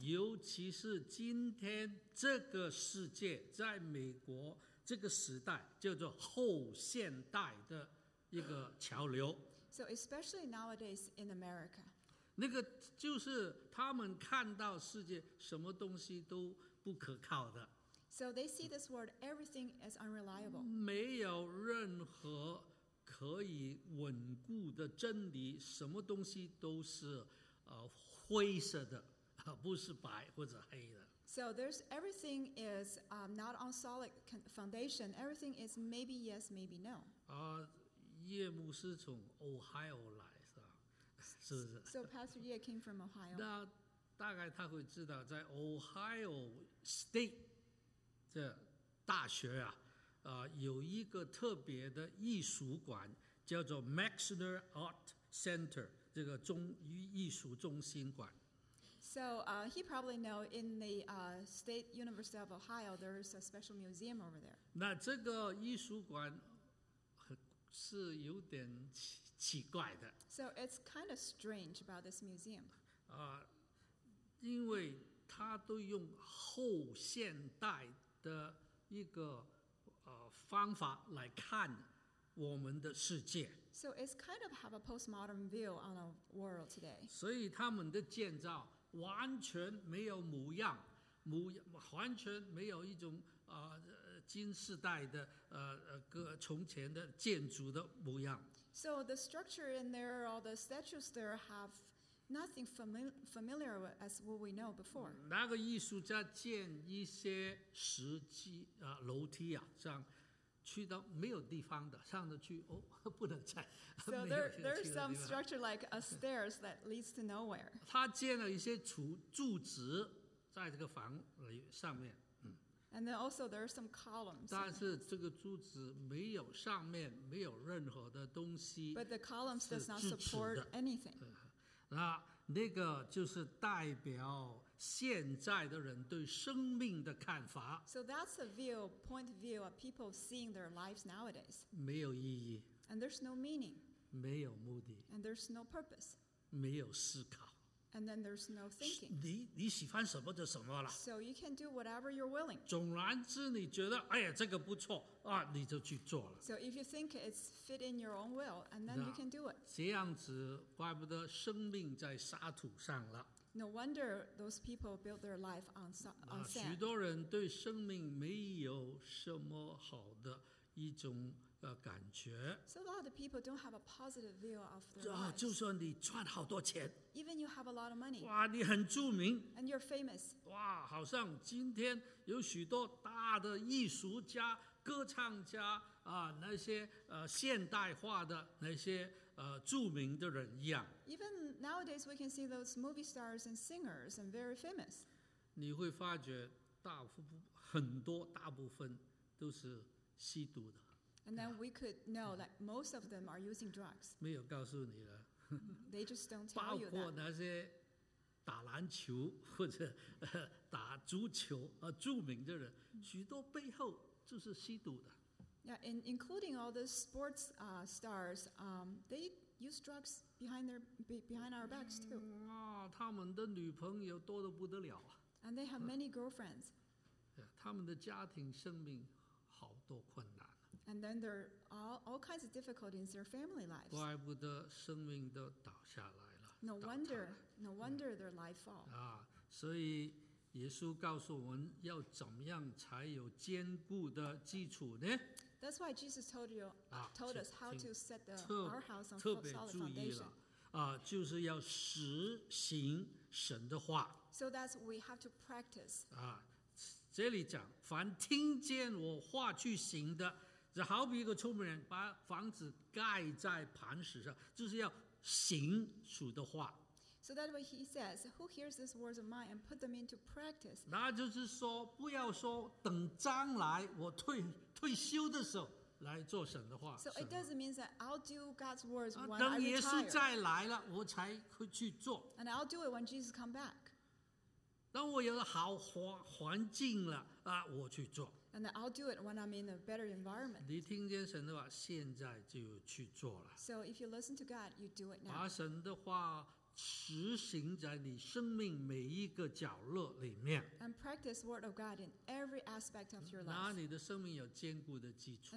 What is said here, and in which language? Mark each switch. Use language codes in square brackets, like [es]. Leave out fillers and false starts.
[zh] 尤其是今天这个世界，在美国这个时代叫做后现代的一个潮流。 [en] So especially nowadays in America. [zh] 那个就是他们看到世界什么东西都不可靠的。 [en] So they see this world, everything is unreliable. [zh] 没有任何可以稳固的真理，什么东西都是灰色的，不是白或者黑的。 [en] So there's everything is not on solid foundation. Everything is maybe yes, maybe no. [zh] 叶牧师从 Ohio 来是吧？是不是 [en] ？So Pastor Ye came from Ohio. [zh] 那大概他会知道，在 Ohio State 这大学啊。有一个特别的艺术馆叫做 Maxner Art Center， 这个中艺术中心馆。 [en] So he probably know in the State University of Ohio there's a special museum over there. [zh] 那这个艺术馆是有点奇怪的。 [en] So it's kind of strange about this museum. [zh] 因为他都用后现代的一个方法来看我们的世界。 [en] So it's kind of have a postmodern view on the world today. [zh] 所以他们的建造完全没有模样，完全没有一种新时代的从前的建筑的模样。 [en] So the structure in there, all the statues there have nothing familiar as what we know before. [zh] 那个艺术家建一些石基啊楼梯啊，这样去到没有地方的上得去哦，不能再。 [en] So there's some structure like a stairs that leads to nowhere. [zh] 他建了一些柱子在这个房里上面。 [en] And then also there are some columns. [zh] 但是这个柱子没有上面没有任何的东西。 [en] But the columns does not support anything. [zh] 那个就是代表现在的人对生命的看法。 [en] So that's a view, point of view of people seeing their lives nowadays. [zh] 没有意义。 [en] And there's no meaning. [zh] 没有目的。 [en] And there's no purpose. [zh] 没有思考。 [en] And then there's no thinking. [zh] 你喜欢什么就什么了。 [en] So you can do whatever you're willing. [zh] 总然之你觉得哎呀这个不错啊，你就去做了。 [en] So if you think it's fit in your own will, and then you can do it. [zh] 这样子怪不得生命在沙土上了。 [en] No wonder those people built their life on sand. [zh] 许多人对生命没有什么好的一种感觉。 [en] So a lot of people don't have a positive view of their lives. [zh] 就算你赚好多钱。 [en] Even you have a lot of money. [zh] 哇，你很著名。 [en] And you're famous. [zh] 哇，好像今天有许多大的艺术家、歌唱家啊，那些现代化的那些著名的人一样。 [en] Even nowadays, we can see those movie stars and singers and very famous. [zh] 你会发觉大部分都是吸毒的。 [en] And then we could know that most of them are using drugs. [zh] 没有告诉你了。 [en] They just don't tell you that. [zh] 包括那些打篮球或者打足球著名的人，许多背后就是吸毒的。 [en] Yeah, including all the sports stars, they use drugs behind our backs too. [zh] 啊，他们的女朋友多得不得了啊。 [en] And they have many girlfriends. [zh] 他们的家庭生命好多困难。 [en] And then there are all kinds of difficulties in their family lives. [zh] 怪不得生命都倒下来了。 [en] No wonder their life fall. [zh] 所以耶稣告诉我们要怎么样才有坚固的基础呢？ [en] That's why Jesus told us how to set our house on solid foundation. [zh] 特别注意了，就是要实行神的话。 [en] So that's we have to practice. [zh] 这里讲，凡听见我话去行的。就好比一个聪明人把房子盖在磐石上，就是要行主的话。 [en] So that way he says, who hears these words of mine and put them into practice? [zh] 那就是说，不要说等将来我退休的时候来做神的话。 [en] So it doesn't mean that I'll do God's words when I retire. [zh] 等耶稣再来了，我才会去做。 [en] And I'll do it when Jesus come back. [zh] 当我有了好环境了啊，我去做。 [en] And I'll do it when I'm in a better environment. [zh] 你听见神的话，现在就去做了。 [en] So if you listen to God, you do it now. [zh] 把神的话实行在你生命每一个角落里面。 [en] And practice word of God in every aspect of your life. [zh] 那你的生命有坚固的基础。